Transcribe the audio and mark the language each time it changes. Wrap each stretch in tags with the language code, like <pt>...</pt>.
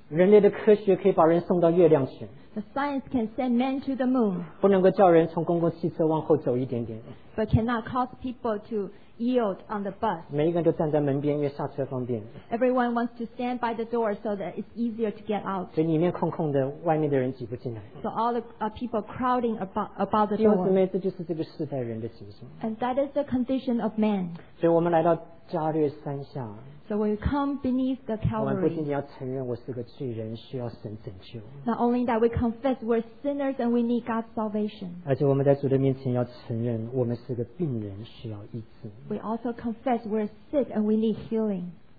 <zh>人类的科学可以把人送到月亮去。</zh> <en>The science can send men to the moon.</en> <zh>不能够叫人从公共汽车往后走一点点。</zh> <en>But cannot cause people to yield on the bus.</en> <zh>每一个人都站在门边，因为下车方便。</zh> <en>Everyone wants to stand by the door so that it's easier to get out.</en> <zh>所以里面空空的，外面的人挤不进来。</zh> <en>So all the people crowding about the door.</en> <zh>弟兄姊妹，这就是这个世代人的情形。</zh> <en>And that is the condition of man.</en> <zh>所以我们来到加略山下。</zh> <en>So when you come beneath the Calvary, not only that, we confess we're sinners and we need God's salvation. We also confess we're sick and we need healing.</en>